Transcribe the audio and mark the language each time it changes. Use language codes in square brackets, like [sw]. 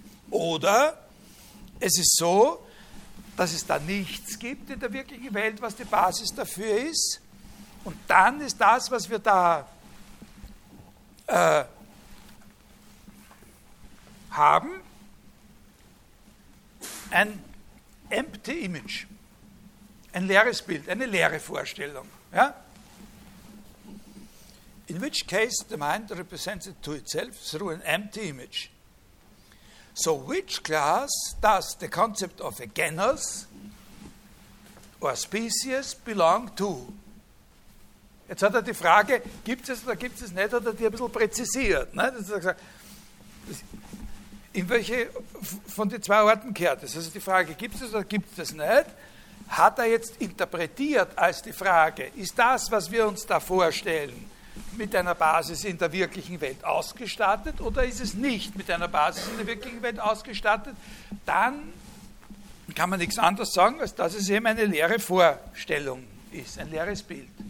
[de] oder es ist so, dass es da nichts gibt in der wirklichen Welt, was die Basis dafür ist, und dann ist das, was wir da haben, ein [en] empty image, [de] ein leeres Bild, eine leere Vorstellung, ja? [en] In which case the mind represents it to itself through an empty image. So which class does the concept of a genus or species belong to? [de] Jetzt hat er die Frage, gibt es oder gibt es nicht, hat er die ein bisschen präzisiert. Ne? Das hat er gesagt, in welche von den zwei Orten kehrt es? Also die Frage, gibt es oder gibt es nicht, hat er jetzt interpretiert als die Frage, ist das, was wir uns da vorstellen, mit einer Basis in der wirklichen Welt ausgestattet oder ist es nicht mit einer Basis in der wirklichen Welt ausgestattet, dann kann man nichts anderes sagen, als dass es eben eine leere Vorstellung ist, ein leeres Bild.